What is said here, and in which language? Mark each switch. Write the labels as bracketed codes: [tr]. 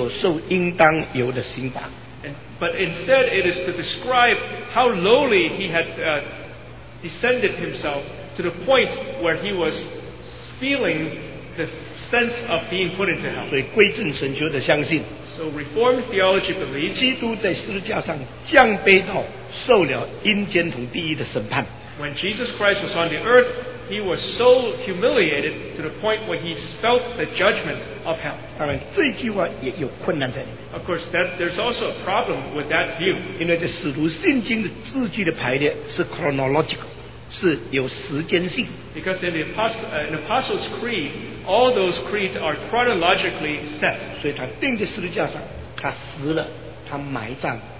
[zh] 乃是形容他实实在在降卑到在十字架上卑微到一个地步，受了阴间所受应当有的刑罚。 [en] But instead, it is to describe how lowly he had descended himself to the point where he was feeling the sense of being put into hell. [zh] 所以归正神学的相信, [en] so Reformed theology believes [zh] 基督在十字架上降卑到受了阴间同地狱的审判。 [en] When Jesus Christ was on the earth, he was so humiliated to the point where he felt the judgment of hell. [zh] 当然这句话也有困难在里面。 [en] Of course, that, there's also a problem with that view. [zh] 因为这使徒信经的字句的排列是 chronological, 是有时间性。 [en] Because in the Apostles' Creed, all those creeds are chronologically set. [zh] 所以他钉在十字架上，他死了，他埋葬，